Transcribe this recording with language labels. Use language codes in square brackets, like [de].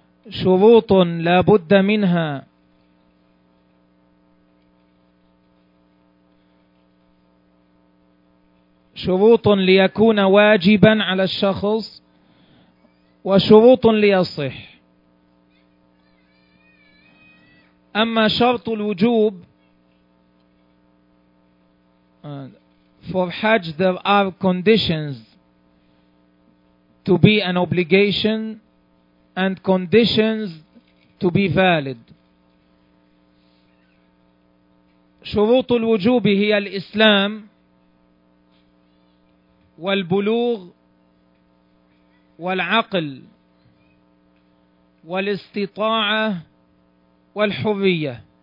[ar] شروط لا بد منها شروط ليكون واجبا على الشخص وشروط ليصح. أما شرط الوجوب [en] for Hajj there are conditions to be an obligation and conditions to be valid. [ar] شروط الوجوب هي الإسلام والبلوغ والعقل والاستطاعة والحرية.